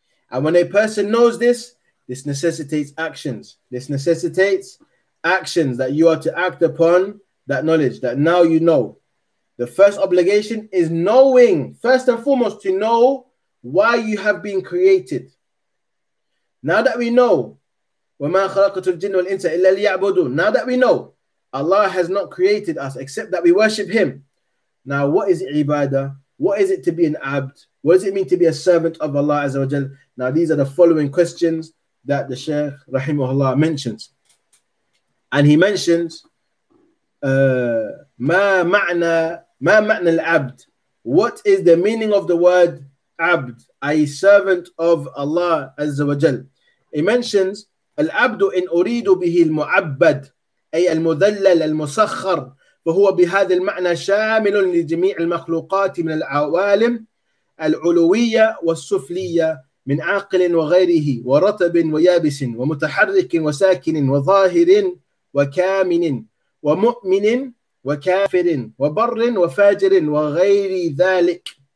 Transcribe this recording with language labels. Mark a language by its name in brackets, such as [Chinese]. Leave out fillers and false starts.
[English] And when a person knows this, this necessitates actions. This necessitates actions that you are to act upon that knowledge, that now you know. The first obligation is knowing, first and foremost, to know why you have been created. Now that we know, [Arabic] وَمَا خَلَقَتُ الْجِنَّ وَالْإِنسَ إِلَّا لِيَعْبُدُونَ. [English] Now that we know, Allah has not created us except that we worship Him. Now what is ibadah? What is it to be an abd? What does it mean to be a servant of Allah Azza wa Jal? Now these are the following questions that the Shaykh Rahimahullah mentions. And he mentions, [Arabic] ma ma'na al-abd? [English] What is the meaning of the word abd, i.e. servant of Allah Azza wa Jal? He mentions, [Arabic] al-abdu in uridu bihi al-mu'abbad, ay al-mudallal al-musakhar, فهو بهذا المعنى شامل لجميع المخلوقات من العوالم العلوية والسفلية من عاقل وغيره ورطب ويابس ومتحرك وساكن وظاهر وكامن ومؤمن وكافر وبر وفاجر وغير ذلك.